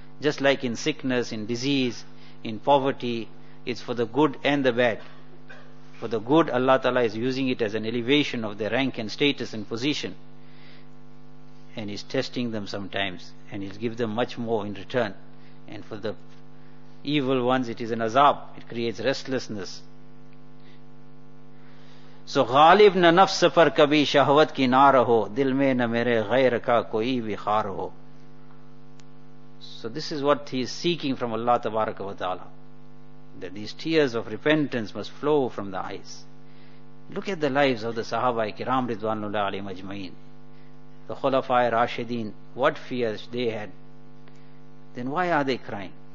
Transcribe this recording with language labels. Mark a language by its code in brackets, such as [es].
[en] Just like in sickness, in disease, in poverty, it's for the good and the bad. For the good, Allah Ta'ala is using it as an elevation of their rank and status and position, and is testing them sometimes, and he'll give them much more in return. And for the evil ones, it is an azab. It creates restlessness. So [ur] غالب نہ نفس پر کبھی شہوت کی نہ رہو دل میں نہ میرے غیر کا کوئی بھی خار ہو. [en] So this is what he is seeking from Allah Tabaraka wa Ta'ala, that these tears of repentance must flow from the eyes. Look at the lives of the Sahaba Ikram Ridwanullah Ali Majmain, the Khulafai Rashideen, what fears they had. Then why are they crying?